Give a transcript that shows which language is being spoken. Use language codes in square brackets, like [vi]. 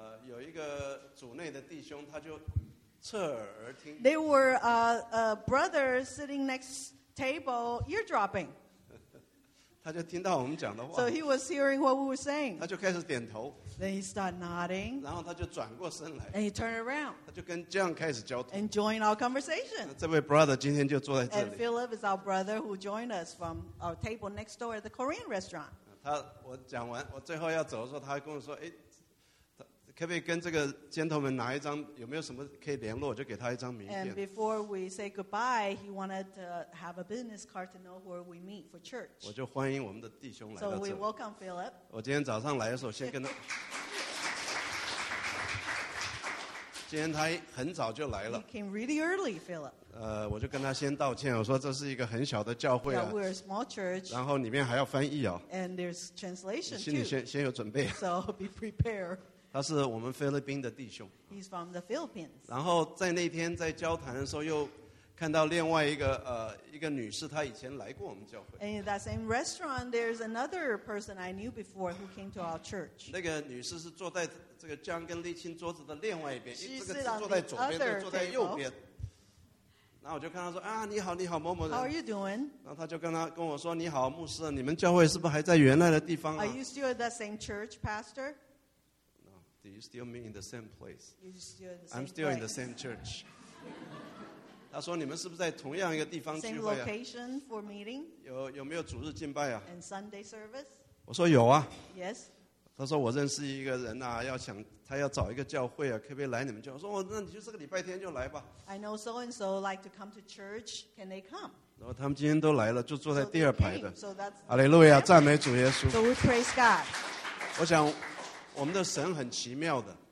[zh] 有一个组内的弟兄他就侧耳而听。 [en] There were a brother sitting next table eardropping. [zh] 他就听到我们讲的话。 [en] So he was hearing what we were saying. [zh] 他就开始点头。 [en] Then he started nodding. [zh] 然后他就转过身来。 [en] And he turned around. [zh] 他就跟 John 开始交通。 [en] And joined our conversation. [zh] 这位 brother 今天就坐在这里。 [en] And Philip is our brother who joined us from our table next door at the Korean restaurant. [zh] 他我讲完我最后要走的时候他还跟我说哎可不可以跟这个 gentleman 拿一张有没有什么可以联络我就给他一张名片。 [en] And before we say goodbye, he wanted to have a business card to know where we meet for church. [zh] 我就欢迎我们的弟兄来到这 [en] 里。So we welcome Philip. [zh] 我今天早上来的时候先跟他今天他很早就来了。 [en] He came really early, Philip. [zh] 我就跟他先道歉，我说这是一个很小的教会啊。 [en] Yeah, we're a small church. [zh] 然后里面还要翻译啊。 [en] And there's translation too. [zh] 心里先有准备。 [en] So be prepared. [zh] 他是我们菲律宾的弟兄。 [en] He's from the Philippines. [zh] 然后在那天在交谈的时候，又看到另外一个女士，她以前来过我们教会。 [en] And in that same restaurant, there's another person I knew before who came to our church. [zh] 那个女士是坐在。这个姜跟丽青桌子的另外一边，这个是坐在左边，这个坐在右边。然后我就看他说啊，你好，你好，某某人。 [en] How are you doing？ [zh] 然后他就跟我说，你好，牧师，你们教会是不是还在原来的地方啊 [en] ？Are you still at the same church, Pastor？ No. Do you still meet in the same place？ I'm still in the same church. [zh] 他说你们是不是在同样一个地方聚会啊 [en] ？Same location for meeting？ [zh] 有没有主日敬拜啊 [en] ？And Sunday service？ [zh] 我说有啊。 [en] Yes。 [zh] 他说我认识一个人啊要想他要找一个教会啊可不可以来你们教会我说、哦、那你就这个礼拜天就来吧 [en] I know so and so like to come to church can they come [zh] 然后他们今天都来了就坐在第二排的 [en] so that's [zh] 哈利路亚赞美主耶稣 [en] so we praise God [zh] 我想我们的神很奇妙的